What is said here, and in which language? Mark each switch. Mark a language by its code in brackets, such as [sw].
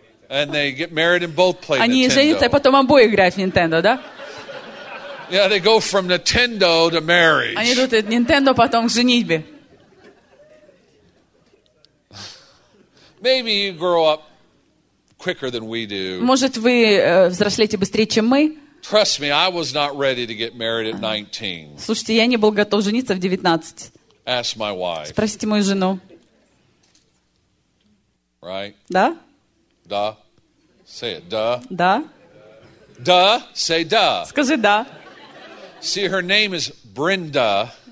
[en] And they get married and both play [ru] Они Они женятся и потом обои играют в Nintendo, да? [en] Yeah, they go from Nintendo to marriage. [ru] Они идут от Nintendo потом к женитьбе. [en] Maybe you grow up quicker than we do. [ru] Может, вы взрослеете быстрее, чем мы? [en] Trust me, I was not ready to get married at 19. [ru] Слушайте, я не был готов жениться в 19. [en] Ask my wife. [ru] Спросите мою жену. [en] Right? [ru] Да? Да. [en] Say it. [ru] Да. Да. Да. Say да. Скажи да. [en] See, her name is Brenda.